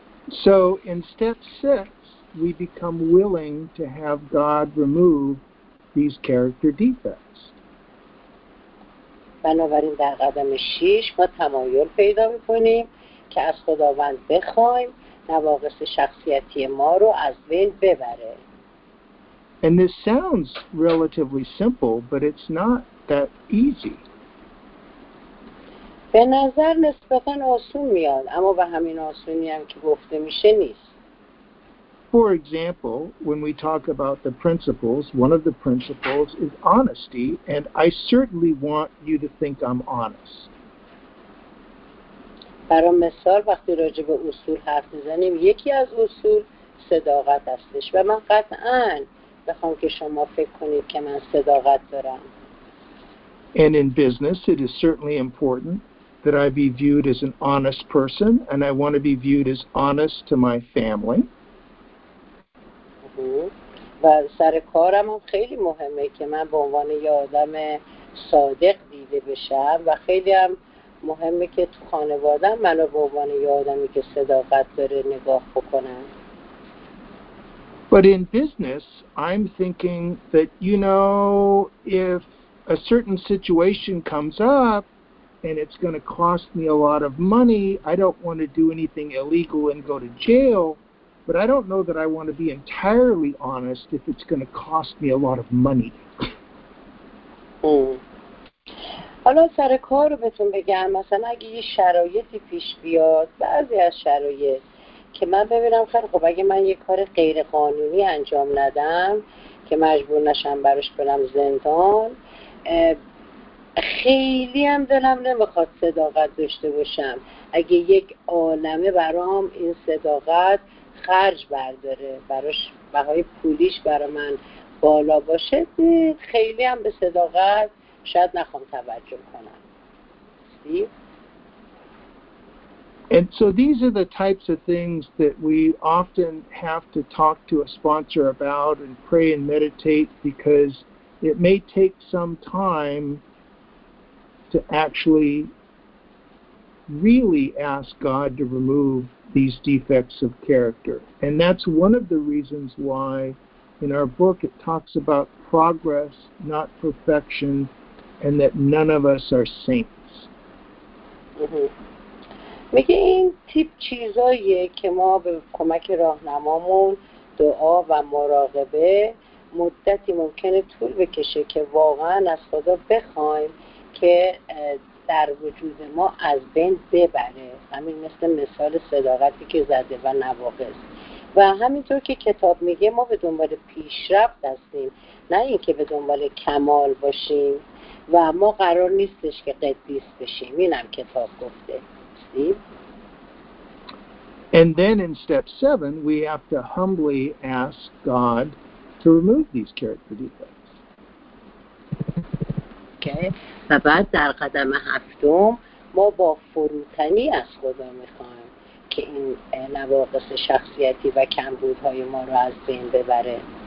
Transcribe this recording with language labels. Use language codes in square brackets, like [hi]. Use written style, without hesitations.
[en] So in step 6 we become willing to have God remove these character defects. [fa] بنابراین در قدم 6 ما تمایل پیدا می‌کنیم که از خداوند بخوایم نواقص شخصیتی ما رو از بین ببره. [en] And this sounds relatively simple, but it's not that easy. [fa] به نظر نسبتاً آسون میاد، اما به همین آسونی هم که گفته میشه نیست. [en] For example, when we talk about the principles, one of the principles is honesty, and I certainly want you to think I'm honest. [fa] برای مثال وقتی راجع به اصول حرف می‌زنیم، یکی از اصول صداقت هستش و من قطعاً بخوام که شما فکر کنید که من صداقت دارم. [en] And in business, it is certainly important that I be viewed as an honest person, and I want to be viewed as honest to my family. [fa] و سر کارم هم خیلی مهمه که من به عنوان یه آدم صادق دیده دیده بشم و خیلی هم مهمه که تو خانواده منو به عنوان یه آدمی که صداقت داره نگاه بکنن. [en] But in business, I'm thinking that, you know, if a certain situation comes up and it's going to cost me a lot of money, I don't want to do anything illegal and go to jail, but I don't know that I want to be entirely honest if it's going to cost me a lot of money. [fa] حالا سر کار رو بهتون بگم، مثلا اگه یه شرایطی پیش بیاد، بعضی از شرایط که من ببینم خیلی خب اگه من یه کار غیر قانونی انجام ندم که مجبور نشم براش برم زندان، خیلی هم دلم نمیخواد صداقت داشته باشم اگه یک عالمه برام این صداقت خرج برداره، براش بهای پولیش برای من بالا باشه، خیلی هم به صداقت شاید نخوام توجه کنم. [en] And so these are the types of things that we often have to talk to a sponsor about and pray and meditate, because it may take some time to actually really ask God to remove these defects of character. And that's one of the reasons why in our book it talks about progress, not perfection, and that none of us are saints. [fa] میگه این تیپ چیزاییه که ما به کمک راهنمامون دعا و مراقبه مدتی ممکنه طول بکشه که واقعا از خدا بخوایم که در وجود ما از بین ببره، همین مثل مثال صداقتی که زده و نواقص. و همینطور که کتاب میگه ما به دنبال پیشرفت هستیم، نه اینکه به دنبال کمال باشیم، و ما قرار نیستش که قدیس بشیم. اینم کتاب گفته. [en] And then in step 7 we have to humbly ask God to remove these character defects. Okay. [fa] و بعد در قدم هفتم ما با فروتنی از خدا میخوایم که این نواقص شخصیتی و کمبودهای ما رو از بین ببره.